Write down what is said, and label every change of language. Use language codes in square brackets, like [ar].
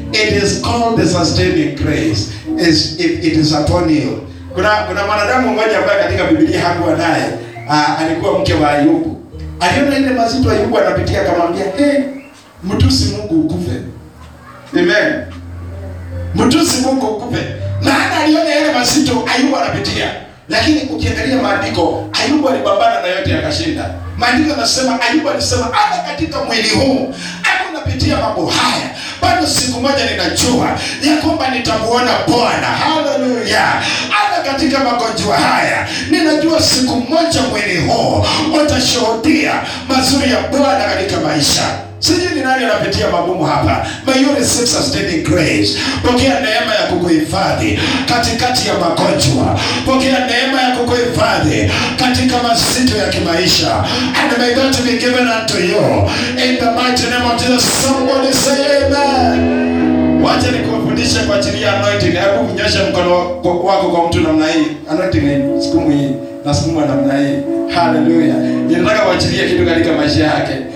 [en] It is called the sustaining grace. It is upon you. [sw] Kuna mwanadamu mmoja ambaye katika Biblia hapo anaye alikuwa mke wa Ayubu. Aliona ile mazito Ayubu anapitia akamwambia, "Hey, mtusi Mungu ukufe." Amen. Mtusi Mungu ukufe. Maana aliona ile mazito Ayubu anapitia. Lakini ukiangalia maandiko, Ayubu alipambana na yote akashinda. Maandiko yanasema Ayubu alisema hata katika mwili huu pitia mambo haya, bado siku moja ninajua ya kwamba nitamuona Bwana. Hallelujah. Hata katika magonjwa haya, ninajua siku moja mwili huu utashuhudia mazuri ya Bwana katika maisha. Sijui ni nani anapitia magumu hapa. [en] May you receive sustaining grace. [sw] Pokea neema ya kukuhifadhi katikati ya magonjwa. Pokea neema ya kukuhifadhi katika mazito ya kimaisha. [en] And may that be given unto you. In the mighty name of Jesus, somebody say amen. [sw] Wacha nikufundishe kwa ajili ya anointing. Hebu unyoshe mkono wako kwa mtu namna hii. Anointing siku hii na siku moja namna hii. Hallelujah. Ninataka kuachilia kitu katika maisha yake.